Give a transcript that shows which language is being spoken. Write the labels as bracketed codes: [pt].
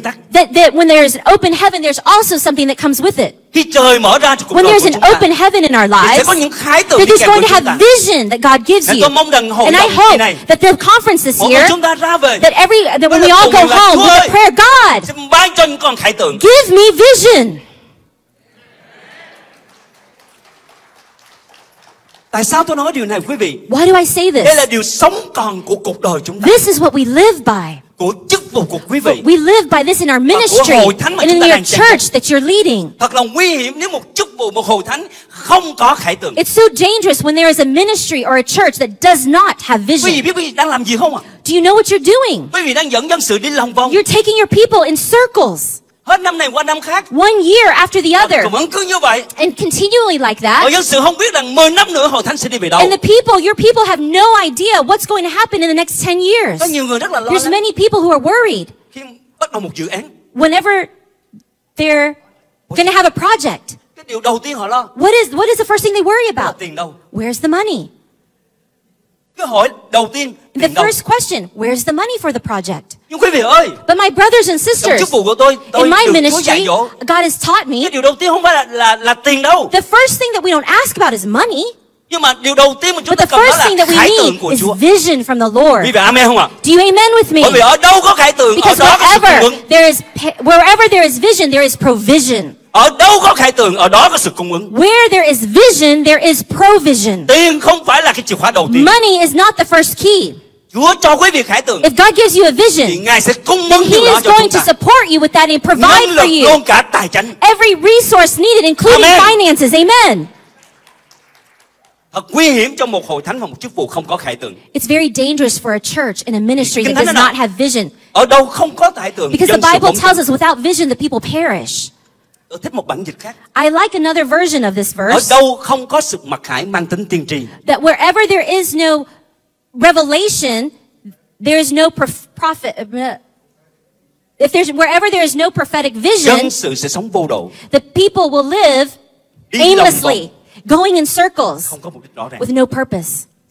[en] that when there's an open heaven, there's also something that comes with it. [vi] Khi trời mở ra cuộc [en] when there's an open heaven in our lives, [vi] sẽ có những khái tượng [en] that there's going to have vision that God gives you. [vi] Tôi mong rằng [en] and I hope that the conference this year, [vi] chúng ta ra về, [en] that every that when we all go home, we we'll pray, God, [vi] ban cho những con khái tượng. [en] Give me vision. [vi] Tại sao tôi nói điều này quý vị? [en] Why do I say this? [vi] Đây là điều sống còn của cuộc đời chúng ta. [en] This is what we live by. [vi] Của chức vụ của quý vị. [en] We live by this in our ministry. [vi] Của hội thánh mà [en] and in your church that you're leading. [vi] Thật là nguy hiểm nếu một chức vụ một hội thánh không có khải tượng. [en] It's so dangerous when there is a ministry or a church that does not have vision. [vi] Quý vị biết quý vị đang làm gì không ạ? [en] Do you know what you're doing? [vi] Quý vị đang dẫn dân sự đi lòng vòng. [en] You're taking your people in circles. [vi] Hết năm này qua năm khác. [en] One year after the other. [vi] Và vẫn cứ như vậy. [en] And continually like that. [vi] Hội dân sự không biết rằng 10 năm nữa hội thánh sẽ đi về đâu. [en] And the people, your people have no idea what's going to happen in the next 10 years. [vi] Có nhiều người rất là lo lắng. [en] There's many people who are worried. [vi] Khi bắt đầu một dự án. [en] Whenever they're going to have a project. [vi] Cái điều đầu tiên họ lo. [en] What is the first thing they worry about? [vi] Tiền đâu? [en] Where's the money? [vi] Cái hỏi đầu tiên. [en] The first [vi] đâu? [en] Question, where's the money for the project? [vi] Nhưng quý vị ơi, [en] but my brothers and sisters, [vi] trong chức vụ của tôi [en] in my ministry, God has taught me, [vi] cái điều đầu tiên không phải là tiền đâu. [en] The first thing that we don't ask about is money. [vi] Nhưng mà điều đầu tiên mà chúng ta cần đó là khải tượng của Chúa. [en] Vision from the Lord. [vi] Quý vị amen không ạ? [en] Do you amen with me? [vi] Bởi vì ở đâu có khải tượng, [en] because [vi] ở đó [en] wherever, [vi] có sự cung ứng. [en] There is, wherever there is vision, there is provision. [vi] Ở đâu có khải tượng, ở đó có sự cung ứng. [en] Where there is vision, there is provision. [vi] Tiền không phải là cái chìa khóa đầu tiên. [en] Money is not the first key. [vi] Chúa cho quý vị khải tượng. [en] If God gives you a vision, [vi] thì Ngài sẽ cung ứng điều đó cho chúng ta. [en] He is going to support you with that and provide for you. [vi] Luôn cả tài chánh. [en] Every resource needed, including amen. Finances. Amen. [vi] Thật nguy hiểm cho một hội thánh và một chức vụ không có khải tượng. [en] It's very dangerous for a church in a ministry that does not have vision. [vi] Ở đâu không có khải tượng, [en] because the Bible tells us without vision the people perish. [vi] Tôi thích một bản dịch khác. [en] I like another version of this verse. [vi] Ở đâu không có sự mặc khải mang tính tiên tri. [en] That wherever there is no revelation, there is no prophet. If there's wherever there is no prophetic vision, [vi] dân sự sẽ sống vô độ. [en] The people will live aimlessly. Going in circles with no purpose.